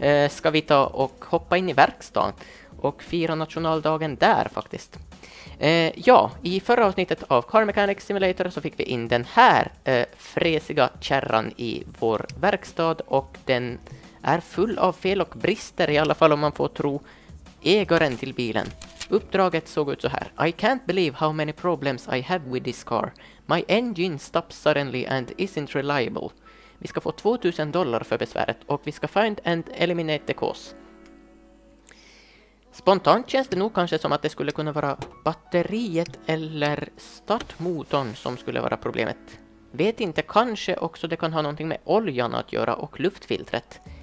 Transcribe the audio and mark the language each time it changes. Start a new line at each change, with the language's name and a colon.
Swedish: Ska vi ta och hoppa in i verkstaden och fira nationaldagen där faktiskt. Ja, i förra avsnittet av Car Mechanic Simulator så fick vi in den här fräsiga kärran i vår verkstad och den är full av fel och brister, i alla fall om man får tro ägaren till bilen. Uppdraget såg ut så här.
English: I can't believe how many problems I have with this car. My engine stops suddenly and isn't reliable.
Swedish: Vi ska få $2,000 för besväret och vi ska
English: find and eliminate the cause.
Swedish: Spontant känns det nog kanske som att det skulle kunna vara batteriet eller startmotorn som skulle vara problemet. Vet inte, kanske också det kan ha någonting med oljan att göra och luftfiltret.